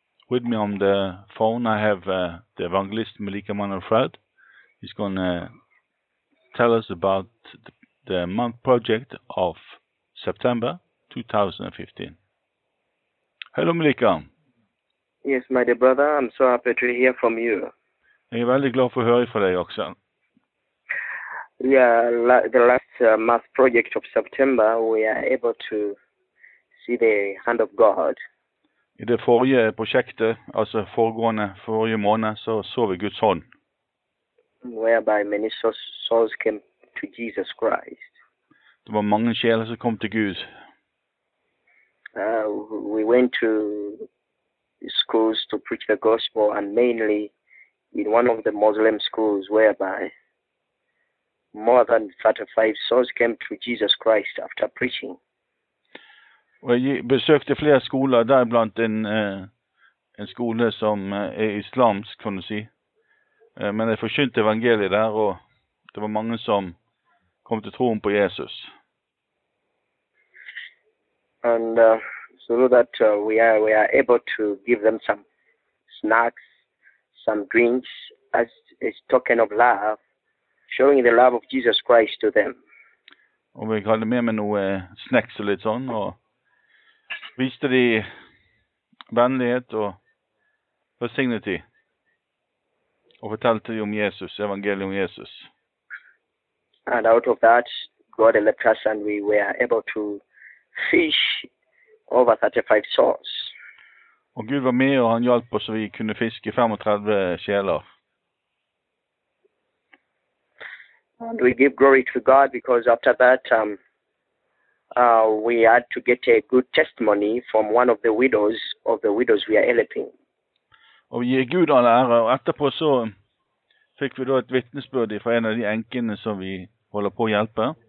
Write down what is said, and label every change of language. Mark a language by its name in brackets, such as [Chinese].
[English] With me on the phone I have the evangelist Mulika Manfred. He's going to tell us about the month project of September 2015. Hello Mulika. Yes, my dear brother, I'm so happy to hear from you. [Norwegian] Jeg veldig glad for å høre fra deg også. [English] Yeah, the last math project of September, we are able to see the hand of God. [Norwegian] I det forrige prosjektet, altså forrige måned, så vi Guds hånd. [English] Whereby many souls came to Jesus Christ. [Norwegian] Det var mange sjeler som kom til Gud. [English] We went to schools to preach the gospel, and mainly in one of the Muslim schools, whereby more than 35 souls came to Jesus Christ after preaching. [Norwegian] Og jeg besøkte flere skoler, deriblant en skole som er islamsk, kan du si. Men jeg forkynte evangeliet der, og det var mange som kom til troen på Jesus. [English] And so that we are able to give them some snacks, some drinks, as a token of love, showing the love of Jesus Christ to them. [Norwegian] Og vi hadde med meg noe snacks og litt sånn, og viste de vennlighet og velsignet de. Og fortalte de om Jesus, evangeliet om Jesus. [English] And out of that, God left us and we were able to fish over 35 souls. [Norwegian] Og Gud var med og han hjalp oss så vi kunne fiske 35 sjeler. [English] And we give glory to God because after that, we had to get a good testimony from one of the widows we are helping. [Norwegian] Og vi gir Gud all ære, og etterpå så fikk vi da et vitnesbyrd fra en av de enkene som vi holder på å hjelpe.